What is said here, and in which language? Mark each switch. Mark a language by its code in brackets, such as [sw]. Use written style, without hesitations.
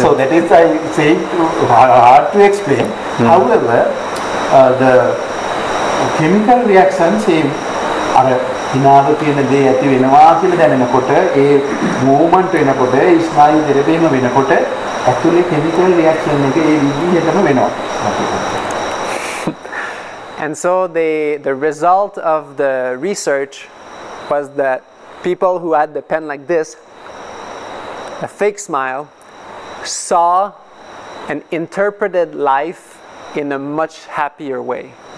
[en] So that is, I say, hard to explain. However, the chemical reaction same. [si] අර hinaව තියෙන දේ ඇති වෙනවා කියලා දැනෙනකොට ඒ මූමන්ට් වෙනකොට ඒ ස්නායු දෙරේම වෙනකොට ඇතුලේ කෙමිකල් රියැක්ෂන් එක ඒ විදිහටම වෙනවා. [en] And so the result of the research was that people who had the pen like this, a fake smile, saw and interpreted life in a much happier way.